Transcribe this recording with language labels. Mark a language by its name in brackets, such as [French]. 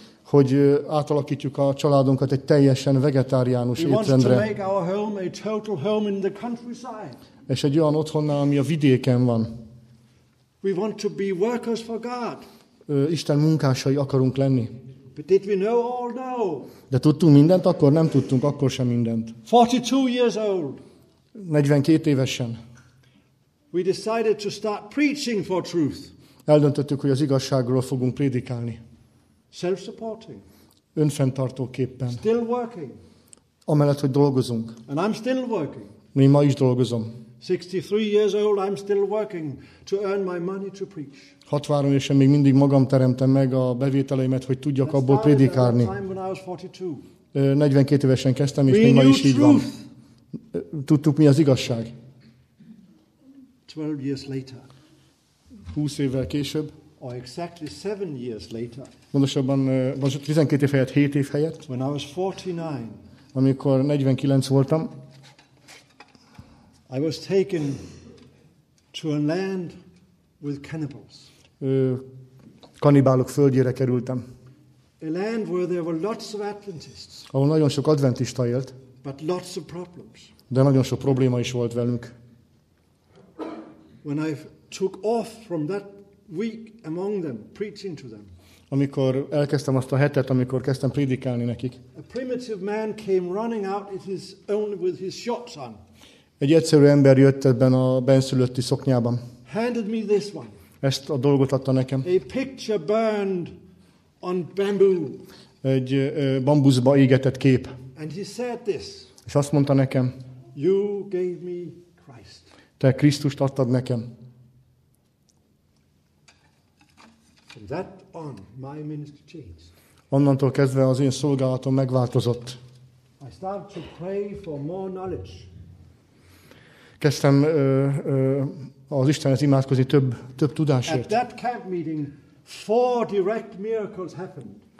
[Hungarian] Hogy átalakítjuk a családunkat egy teljesen vegetáriánus étrendre. [English] We want to make our home a total home in the countryside. [Hungarian] És egy olyan otthonná, ami a vidéken van. [English] We want to be workers for God. [Hungarian] Isten munkásai akarunk lenni. [English] But did we know all? No. [Hungarian] De tudtunk mindent akkor? Nem tudtunk akkor sem mindent. [English] 42 years old. [Hungarian] 42 évesen. [English] We decided to start preaching for truth. [Hungarian] Eldöntöttük, hogy az igazságról fogunk prédikálni. [English] Self-supporting. [Hungarian] Önfenntartóképpen. [English] Still working. [Hungarian] Amellett, hogy dolgozunk. [English] And I'm still working. [Hungarian] Mi ma is dolgozom. [English] 63 years old, I'm still working to earn my money to preach. [Hungarian] 63 évesen még mindig magam teremtem meg a bevételeimet, hogy tudjak abból prédikálni. 42 évesen kezdtem, és még ma is így van. Tudtuk, mi az igazság. [English] 12 years later. [Hungarian] 20 évvel később. [English] Or exactly 7 years later. [Hungarian] Pontosabban 12 év helyett, 7 év helyett. [English] When I was 49. [Hungarian] Amikor 49 voltam. [English] I was taken to a land with cannibals. [Hungarian] Kannibálok földjére kerültem. [English] A land where there were lots of Adventists. [Hungarian] Ahol nagyon sok adventista élt. [English] But lots of problems. [Hungarian] De nagyon sok probléma is volt velünk. [English] When I took off from that week among them, preaching to them. [Hungarian] Amikor elkezdtem azt a hetet, amikor kezdtem prédikálni nekik. [English] A primitive man came running out with his own with his shorts on. [Hungarian] Egy egyszerű ember jött ebben a benszülötti szoknyában. [English] Handed me this one. [Hungarian] Ezt a dolgot adta nekem. [English] A picture burned on bamboo. [Hungarian] Egy bambuszba égetett kép. [English] And he said this. [Hungarian] És azt mondta nekem. [English] You gave me Christ. [Hungarian] Te Krisztust adtad nekem. [English] From that on, my ministry changed. [Hungarian] Onnantól kezdve az én szolgálatom megváltozott. [English] I start to pray for more knowledge. [Hungarian] Kezdtem az Istenhez imádkozni több tudásért. [English] At that camp meeting, four direct miracles happened.